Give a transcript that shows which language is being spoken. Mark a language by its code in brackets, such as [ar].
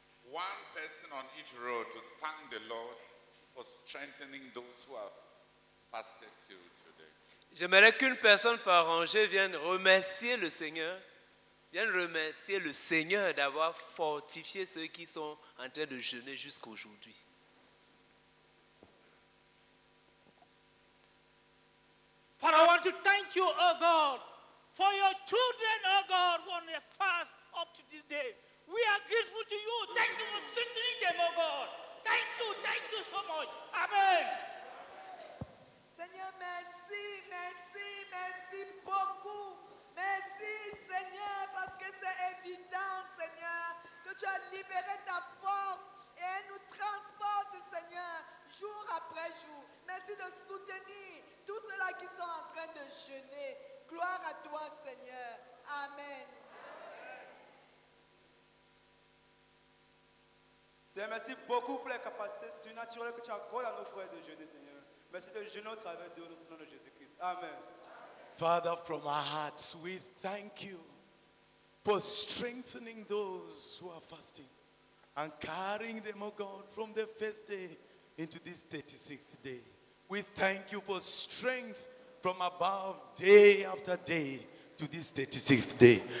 [en] one person on each road to thank the Lord for strengthening those who have fasted till today. [fr] J'aimerais qu'une personne par rangée vienne remercier le Seigneur, d'avoir fortifié ceux qui sont en train de jeûner jusqu'à aujourd'hui. [en] But I want to thank you, oh God, for your children, oh God, who are on their fast up to this day. We are grateful to you. Thank you for strengthening them, oh God. Thank you so much. Amen. [fr] Seigneur, merci, merci, merci beaucoup. Merci, Seigneur, parce que c'est évident, Seigneur, que tu as libéré ta force et elle nous transporte, Seigneur, jour après jour. Merci de soutenir tous ceux-là qui sont en train de jeûner. Gloire à toi, Seigneur. Amen. Seigneur, merci beaucoup pour les capacités surnaturelles que tu accordes à nos frères de jeûner, Seigneur. Merci de jeûner au travers de nous, au nom de Jésus-Christ. Amen. [en] Father, from our hearts, we thank you for strengthening those who are fasting and carrying them, O God, from the first day into this 36th day. We thank you for strength from above day after day to this 36th day.